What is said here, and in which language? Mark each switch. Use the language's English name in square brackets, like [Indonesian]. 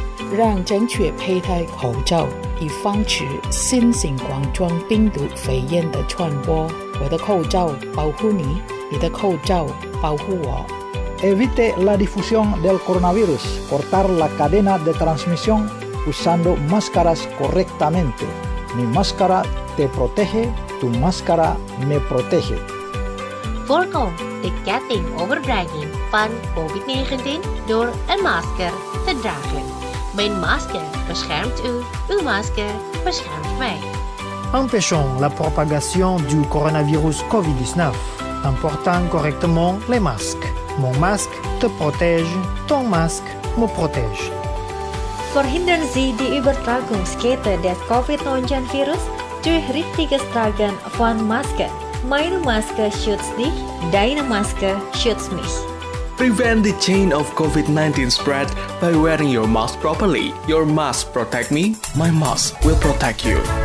[Chinese] 让正确佩戴口罩，以防止新型冠状病毒肺炎的传播。我的口罩保护你，你的口罩保护我。 [Spanish] Evite la difusión del coronavirus. Cortar la cadena de transmisión usando máscaras correctamente. Mi máscara te protege, tu máscara me protege. [Dutch] Voorkom de ketting overdragging van COVID-19 door een masker te dragen. Mijn masker beschermt u, uw masker beschermt mij. [French] Empêchons la propagation du coronavirus COVID-19 en portant correctement les masques. Mon masque te protège, ton masque me protège. [German] Verhindern Sie die Übertragungskette des COVID-19 Virus durch richtiges Tragen von Maske. Meine Maske schützt dich, deine Maske schützt mich. [English] Prevent the chain of COVID-19 spread by wearing your mask properly. Your mask protect me, my mask will protect you.